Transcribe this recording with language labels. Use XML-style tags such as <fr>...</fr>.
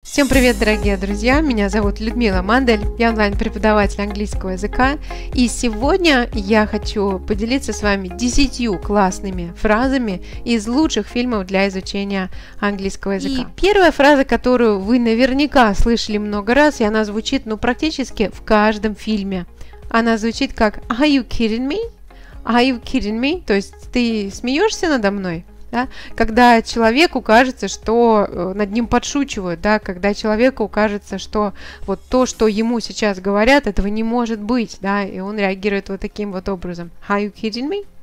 <ru>Всем привет, дорогие друзья! Меня зовут Людмила Мандель, я онлайн-преподаватель английского языка. И сегодня я хочу поделиться с вами 10 классными фразами из лучших фильмов для изучения английского языка. И первая фраза, которую вы наверняка слышали много раз, и она звучит практически в каждом фильме.</ru> <en>Она звучит как «Are you kidding me?» «Are you kidding me?»</en> <ru>То есть «Ты смеешься надо мной?» Да? Когда человеку кажется, что над ним подшучивают, да? Когда человеку кажется, что вот то, что ему сейчас говорят, этого не может быть, да? И он реагирует вот таким вот образом.</ru> <en>Are you kidding me?</en>